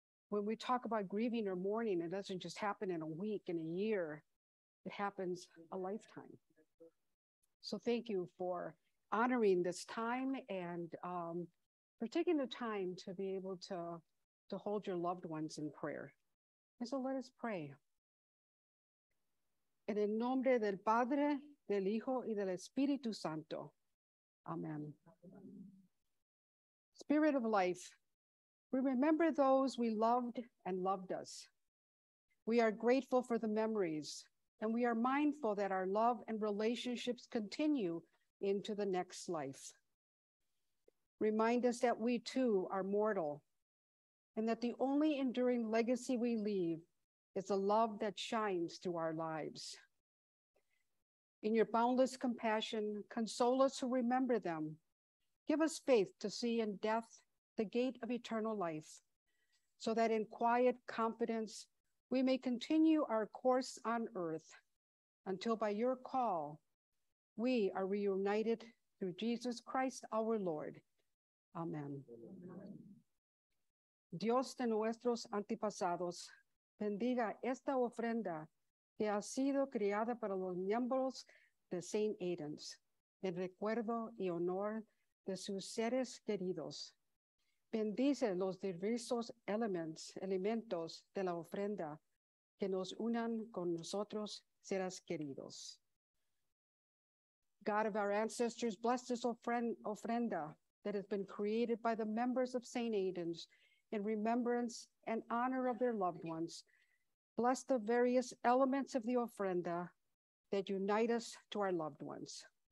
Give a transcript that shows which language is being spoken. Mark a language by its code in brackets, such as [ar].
[en] When we talk about grieving or mourning, it doesn't just happen in a week, in a year. It happens a lifetime. So thank you for honoring this time and for taking the time to be able to hold your loved ones in prayer. And so let us pray. [es] En el nombre del Padre, del Hijo, y del Espíritu Santo. [en] Amen. Spirit of life, we remember those we loved and loved us. We are grateful for the memories, and we are mindful that our love and relationships continue into the next life. Remind us that we too are mortal, and that the only enduring legacy we leave is a love that shines through our lives. In your boundless compassion, console us who remember them. Give us faith to see in death the gate of eternal life, so that in quiet confidence, we may continue our course on earth until by your call, we are reunited through Jesus Christ, our Lord. Amen. Amen. [es] Dios de nuestros antepasados, bendiga esta ofrenda que ha sido creada para los miembros de Saint Aidan's, en recuerdo y honor de sus seres queridos. Bendice los diversos elementos de la ofrenda que nos unan con nosotros, seres queridos. [en] God of our ancestors, bless this ofrenda that has been created by the members of St. Aidan's in remembrance and honor of their loved ones. Bless the various elements of the ofrenda that unite us to our loved ones.